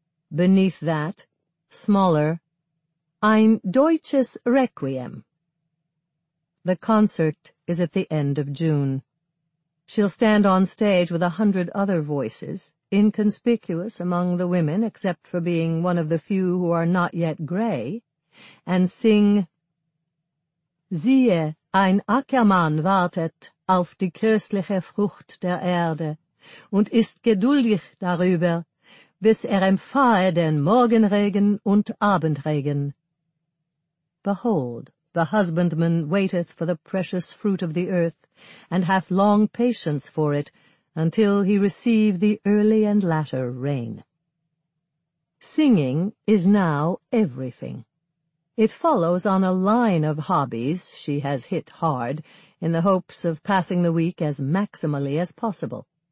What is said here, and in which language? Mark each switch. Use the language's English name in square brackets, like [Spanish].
[English] Beneath that, smaller, Ein Deutsches Requiem. The concert is at the end of June. She'll stand on stage with 100 other voices, inconspicuous among the women except for being one of the few who are not yet gray, and sing, [German] Siehe, ein Ackermann wartet auf die köstliche Frucht der Erde und ist geduldig darüber, bis empfahe den Morgenregen und Abendregen. [English] Behold, the husbandman waiteth for the precious fruit of the earth and hath long patience for it, until he receive the early and latter rain. Singing is now everything. It follows on a line of hobbies she has hit hard in the hopes of passing the week as maximally as possible.